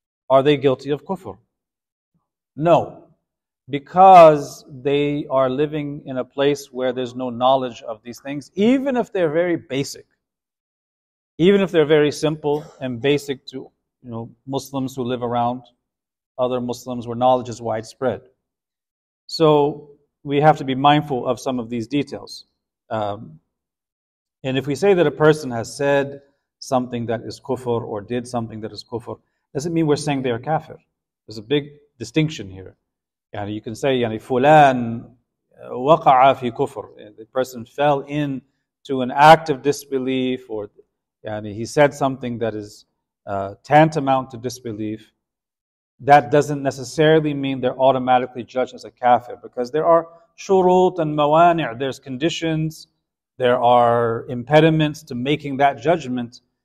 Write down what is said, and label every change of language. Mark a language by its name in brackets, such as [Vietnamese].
[English] Are they guilty of kufr? No. Because they are living in a place where there's no knowledge of these things, even if they're very basic, even if they're very simple and basic to, you know, Muslims who live around other Muslims where knowledge is widespread. So we have to be mindful of some of these details. And if we say that a person has said something that is kufr or did something that is kufr, doesn't mean we're saying they are kafir. There's a big distinction here. And you can say, [Arabic] يعني فلان وقع في كفر. [English] The person fell into an act of disbelief, or [Arabic] يعني [English] he said something that is tantamount to disbelief. That doesn't necessarily mean they're automatically judged as a kafir, because there are shurut and mawani', there's conditions, there are impediments to making that judgment.